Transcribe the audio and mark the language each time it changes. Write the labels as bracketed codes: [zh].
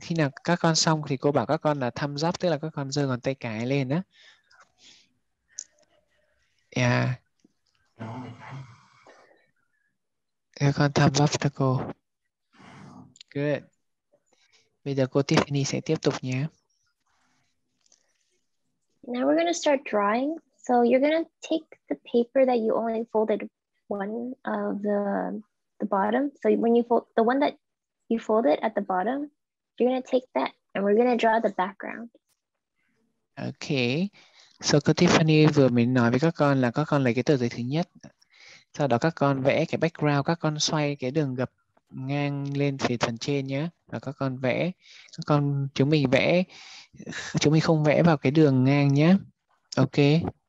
[vi] Khi nào các con xong thì cô bảo các con là thăm dắp, tức là các con giơ ngón tay cái lên á. Yeah. Các con thăm dắp cho cô. [en] Good. [vi] Bây giờ cô Tiffany sẽ tiếp tục nhé. [en] Now we're going to start drawing. So you're going to take the paper that you only folded one of the bottom. So when you fold the one that you folded at the bottom, you're going to take that and we're going to draw the background. Okay. [vi] So cô Tiffany vừa mới nói với các con là các con lấy cái tờ giấy thứ nhất. Sau đó các con vẽ cái background, các con xoay cái đường gập ngang lên phía phần trên nhé. Và các con vẽ, các con chúng mình vẽ, chúng mình không vẽ vào cái đường ngang nhé. Ok.